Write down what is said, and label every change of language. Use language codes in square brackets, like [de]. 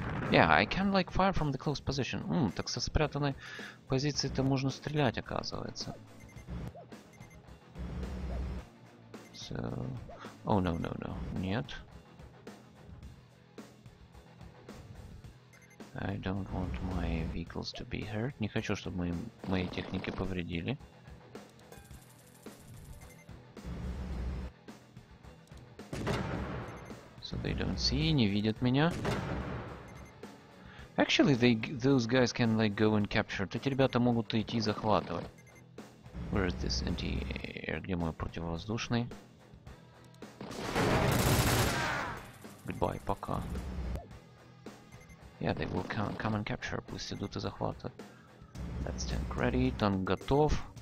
[en] Yeah, I can like fire from the close position. [ru] Так со спрятанной позиции-то можно стрелять, оказывается. [en] So... Oh, no, no, no. [ru] Нет. [en] I don't want my vehicles to be hurt. [ru] Не хочу, чтобы мои техники повредили. [en] So they don't see, [ru] не видят меня. [en] Actually, those guys can like go and capture. [ru] Эти ребята могут идти и захватывать. [en] Where is this anti-air? [ru] Где мой противовоздушный? [en] Goodbye, [ru] пока. [en] Yeah, they will come and capture. [ru] Пусть идут и захватят. [en] That's tank ready. [ru] Танк готов.